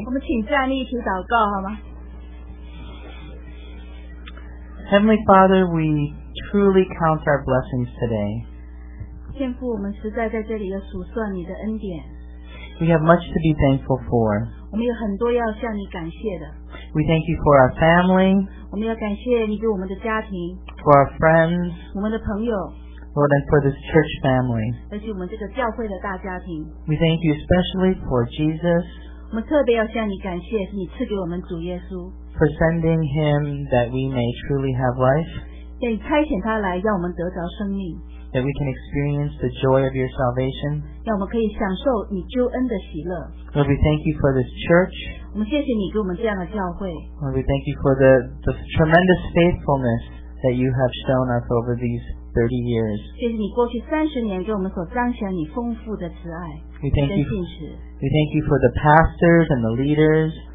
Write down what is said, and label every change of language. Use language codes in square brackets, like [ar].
[zh] 我们请站立一起祷告好吗？ [en] Heavenly Father, we truly count our blessings today. [zh] 天父，我们实在在这里要数算你的恩典。 [en] We have much to be thankful for. [zh] 我们有很多要向你感谢的。 [en] We thank you for our family. [zh] 我们要感谢你给我们的家庭。 [en] For our friends. [zh] 我们的朋友。 [en] Lord, and for this church family. [zh] 而且我们这个教会的大家庭。 [en] We thank you especially for Jesus. [zh] 我们特别要向你感谢，你赐给我们主耶稣。 [en] For sending him that we may truly have life. [zh] 让你差遣他来，让我们得着生命。 [en] That we can experience the joy of your salvation. [zh] 让我们可以享受你救恩的喜乐。 [en] Lord, we thank you for this church. [zh] 我们谢谢你给我们这样的教会。 [en] Lord, we thank you for the tremendous faithfulness that you have shown us over these 30 years. [zh] 谢谢你过去30年给我们所彰显你丰富的慈爱。 [en] We thank you for the pastors and the leaders.